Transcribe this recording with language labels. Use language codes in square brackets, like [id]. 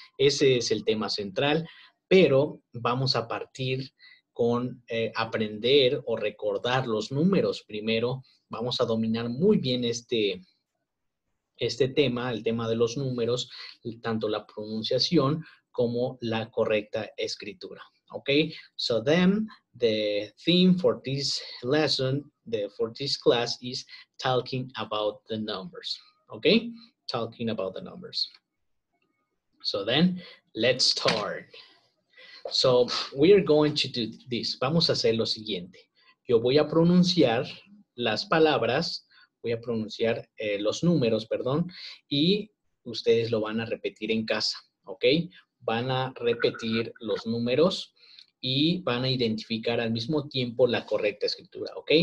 [es] Ese es el tema central, pero vamos a partir con aprender o recordar los números. Primero, vamos a dominar muy bien este tema, el tema de los números, tanto la pronunciación como la correcta escritura. [en] Ok, so then the theme for this lesson, for this class is talking about the numbers. Ok, talking about the numbers. So then, let's start. So, we are going to do this. [es] Vamos a hacer lo siguiente. Yo voy a pronunciar las palabras, voy a pronunciar los números, perdón, y ustedes lo van a repetir en casa, ¿ok? Van a repetir los números y van a identificar al mismo tiempo la correcta escritura, ¿ok?